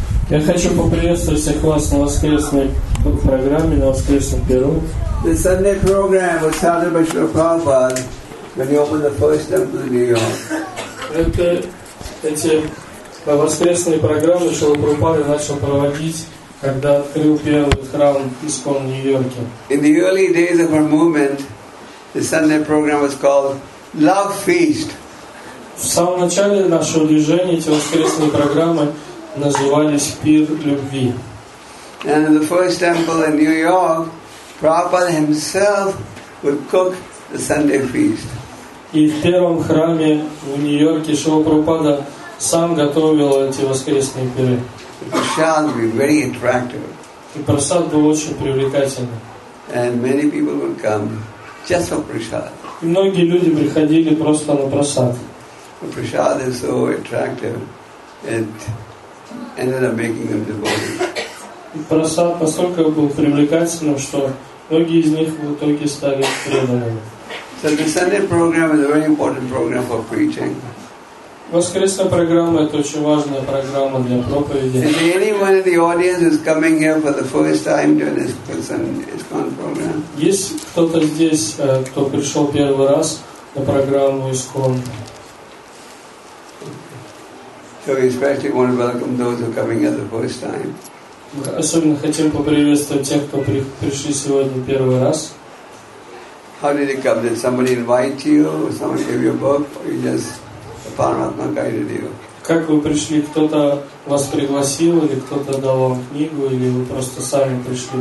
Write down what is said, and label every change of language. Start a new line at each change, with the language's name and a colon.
Russian: Я хочу поприветствовать всех вас на воскресной программе, на воскресном перу.
English: The Sunday program was started by Shri Prabhupada when he opened the first temple in New York.
Russian: Эти воскресные программы Шрила Прабхупада начал проводить, когда открыл первый храм ИСККОН в Нью-Йорке.
English: In the early days of our movement, the Sunday program was called Love Feast.
Russian: В самом начале нашего движения эти воскресные программы назывались «Пир любви».
English: And in the first temple in New York, Prabhupada himself would cook the Sunday feast.
Russian: И в первом храме в Нью-Йорке Шрила Прабхупада сам готовил эти воскресные пиры.
English: The prasad would be very attractive.
Russian: И прасад был очень привлекательный.
English: And many people would come just for prasad.
Russian: И многие люди приходили просто на прасад.
English: The prasad is so attractive, it ended up making them devotees.
Russian: Prasad настолько был привлекательным, что многие из них в итоге стали преданными.
English: So the Sunday program is a very important program for preaching.
Russian: Воскресная программа — это очень важная программа для проповеди.
English: If anyone in the audience is coming here for the first time to this ISKCON program,
Russian: есть кто-то здесь, кто пришел первый раз на программу ISKCON?
English: So we especially want to welcome those who are coming here the first time.
Russian: Особенно хотим поприветствовать тех, кто пришли сегодня первый раз.
English: How did it come? Did somebody invite you? Or someone gave you a book? Or you just the Paramatma guided you?
Russian: Как вы пришли? Кто-то вас пригласил или кто-то дал вам книгу или вы просто сами пришли?